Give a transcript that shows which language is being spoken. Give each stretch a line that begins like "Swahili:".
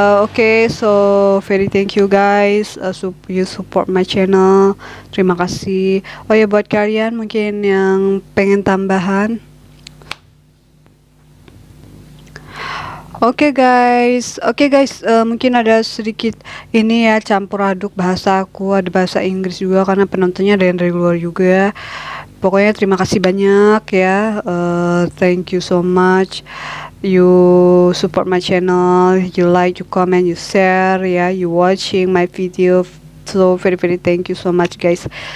English: Okay, so very thank you guys, you support my channel,
Indonesian: terima kasih. Oh ya, buat kalian mungkin yang pengen tambahan,
English: Okay guys,
Indonesian: mungkin ada sedikit ini ya, campur aduk bahasa aku, ada bahasa Inggris juga karena penontonnya ada yang dari luar juga. Pokoknya terima kasih banyak ya,
English: thank you so much, you support my channel, you like, you comment, you share ya, you watching my video, so very very thank you so much guys.